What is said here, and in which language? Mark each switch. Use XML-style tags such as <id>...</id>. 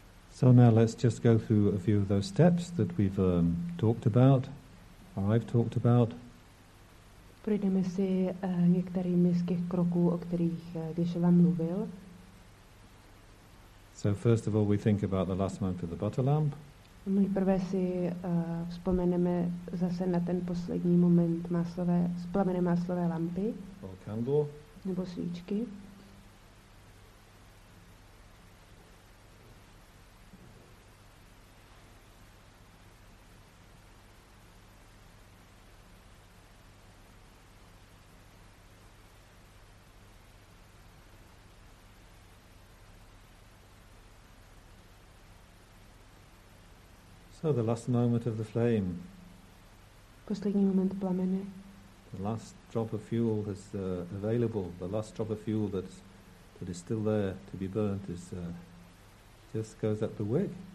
<en>So now let's just go through a few of those steps that we've talked about, or I've talked about.</en> <cs>Projdeme si některými z těch kroků, o kterých Geshe vám mluvil.</cs> <en>So first of all, we think about the last moment for the butter lamp.</en> <cs>Nejprve si vzpomeneme zase na ten poslední moment plamené máslové lampy.</cs> <en>Or candle.</en> <cs>Nebo svíčky.</cs> <en>So the last moment of the flame.</en> <cs>Poslední moment plameny.</cs> <en>The last drop of fuel is available. The last drop of fuel that is still there to be burnt is just goes up the wick.</en>